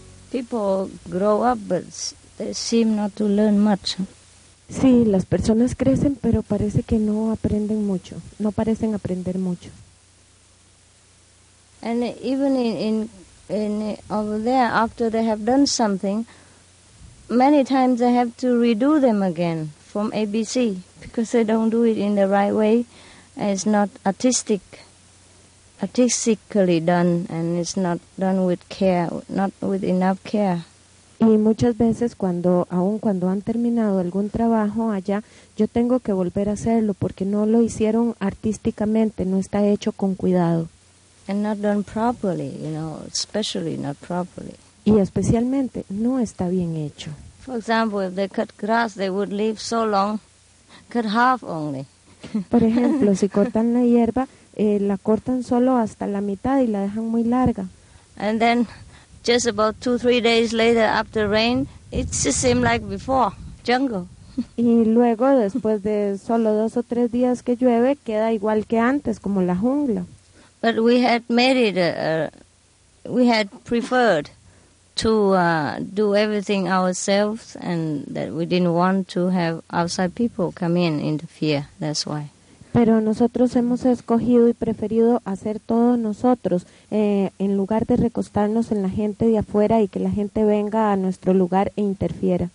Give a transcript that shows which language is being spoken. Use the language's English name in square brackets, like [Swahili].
[English] People grow up, but they seem not to learn much. [Spanish] Sí, las personas crecen, pero parece que no aprenden mucho. No parecen aprender mucho. [English] And even in over there, after they have done something, many times they have to redo them again from ABC because they don't do it in the right way. It's not artistically done, and it's not done with care, not with enough care. [Spanish] Y muchas veces cuando, aun cuando han terminado algún trabajo allá, yo tengo que volver a hacerlo porque no lo hicieron artísticamente, no está hecho con cuidado. [English] And not done properly, you know, especially not properly. [Spanish] Y especialmente no está bien hecho. [English] For example, if they cut grass, they would live so long, cut half only. [Spanish] Por ejemplo, si cortan la hierba, la cortan solo hasta la mitad y la dejan muy larga. [English] And then just about 2-3 days later after rain, it just seemed like before, jungle. [Spanish] Y luego después de solo 2 o 3 días que llueve, queda igual que antes, como la jungla. [English] But we had made it we had preferred to do everything ourselves, and that we didn't want to have outside people come in interfere, that's why. [Spanish] Pero nosotros hemos escogido y preferido hacer todo nosotros, en lugar de recostarnos en la gente de afuera y que la gente venga a nuestro lugar e interfiera.